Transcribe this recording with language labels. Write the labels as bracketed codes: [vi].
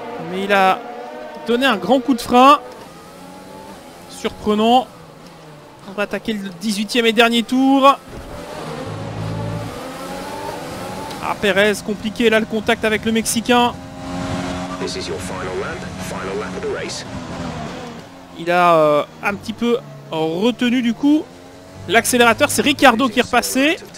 [fr] Mais il a... donner un grand coup de frein. Surprenant. On va attaquer le 18e et dernier tour. Ah, Perez, compliqué là le contact avec le Mexicain. [en] This is your final lap of the race. [fr] Il a un petit peu retenu du coup l'accélérateur. C'est Ricciardo qui est repassé.